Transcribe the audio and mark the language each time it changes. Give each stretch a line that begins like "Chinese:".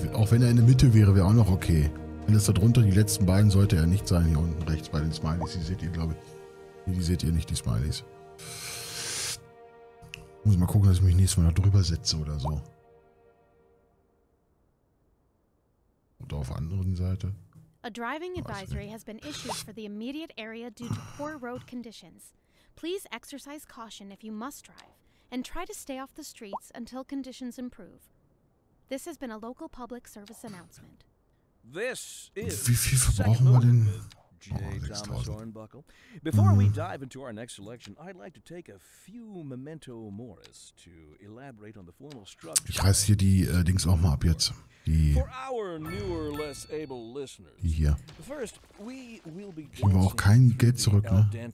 German: Wenn er in der Mitte wäre, wäre auch noch okay. Alles da drunter, die letzten beiden, sollte er nicht sein. Hier unten rechts bei den Smileys. Die seht ihr, glaube ich. Die seht ihr nicht, die Smileys. Muss mal gucken, dass ich mich nächstes Mal da drüber setze oder so. Und auf der anderen Seite.
English: A driving advisory has been issued for the immediate area due to poor road conditions. Please exercise caution if you must drive. And try to stay off the streets until conditions improve. This has been a local public service announcement. This is
German: wie viel verbrauchen wir denn? Oh, 6.000.
English: Before we dive into our next selection, I'd like to take a few memento moris to elaborate on the formal structure.
German: Ich reiß hier die Dings auch mal ab jetzt. Die hier.
English: First, we will be
German: geben wir auch kein Geld zurück, ne?